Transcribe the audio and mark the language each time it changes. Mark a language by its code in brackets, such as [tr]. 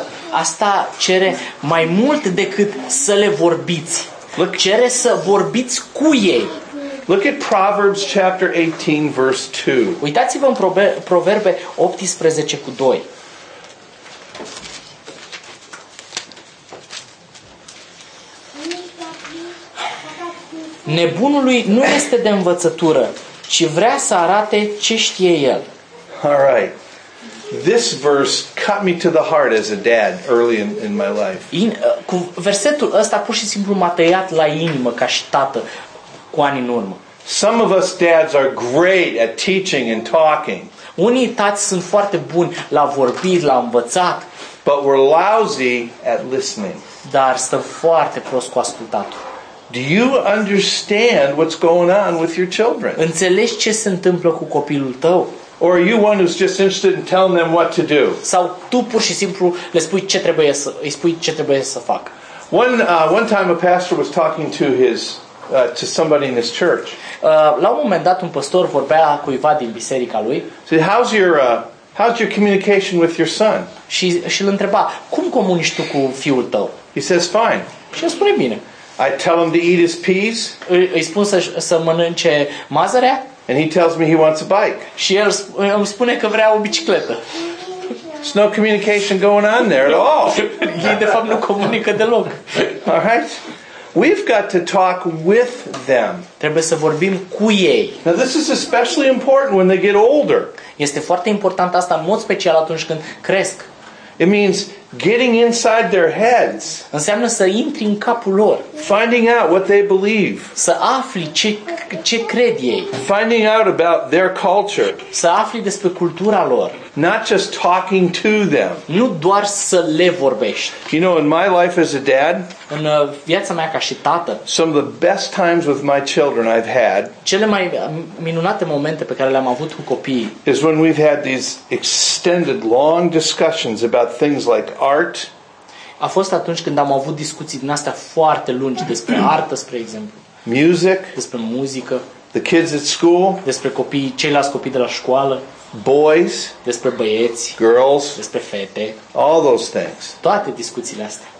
[ro] Asta cere mai mult decât să le vorbiți. [en] Look, [ro] cere să vorbiți cu ei. [en] Look at Proverbs chapter 18 verse 2. [ro] Uitați-vă în Proverbe 18 cu 2. Nebunului nu este de învățătură, ci vrea să arate ce știe el. [en] All right. This verse cut me to the heart as a dad early in my life. [ro] Cu versetul ăsta pur și simplu m-a tăiat la inimă ca și tată cu ani în urmă. [en] Some of us dads are great at teaching and talking. [ro] Unii tați sunt foarte buni la vorbit, la învățat. [en] But we're lousy at listening. [ro] Dar stă foarte prost cu ascultatul. [en] Do you understand what's going on with your children? [ro] Înțelegi ce se întâmplă cu copilul tău? [en] Or are you one who's just interested in telling them what to do? [ro] Sau tu pur și simplu le spui ce trebuie să îi spui ce trebuie să fac? [en] One time a pastor was talking to his to somebody in his church. [ro] La un moment dat un pastor vorbea cuiva din biserica lui. [en] So how's your communication with your son? [ro] Și îl întreba, cum comunici tu cu fiul tău? [en] He says fine. [ro] Și spune bine. [en] I tell him to eat his peas. [ro] Îi spun să mănânce mazărea. [en] And he tells me he wants a bike. [ro] Și el îmi spune că vrea o bicicletă. [en] There's no communication going on there at all. [ro] Ei de fapt nu comunică deloc. [en] All right. We've got to talk with them. [ro] Trebuie să vorbim cu ei. [en] Now this is especially important when they get older. [ro] Este foarte important asta, în mod special atunci când cresc. [en] It means getting inside their heads. [ro] Înseamnă să intri în capul lor. [en] Finding out what they believe. [ro] Să afli ce cred ei. [en] Finding out about their culture. [ro] Să afli despre cultura lor. [en] Not just talking to them. [ro] Nu doar să le vorbești. [en] You know, in my life as a dad, [ro] în viața mea ca și tată, [en] some of the best times with my children I've had, [ro] cele mai minunate momente pe care le-am avut cu copiii, [en] is when we've had these extended long discussions about things like art. [ro] A fost atunci când am avut discuții din astea foarte lungi despre artă, spre exemplu. [en] Music. [ro] Despre muzică. [en] The kids at school. [ro] Despre copii, ceilalți copii de la școală. [en] Boys. [ro] Despre băieți. [en] Girls. [ro] Despre fete. [en] All those things. [ro] Toate discuțiile astea.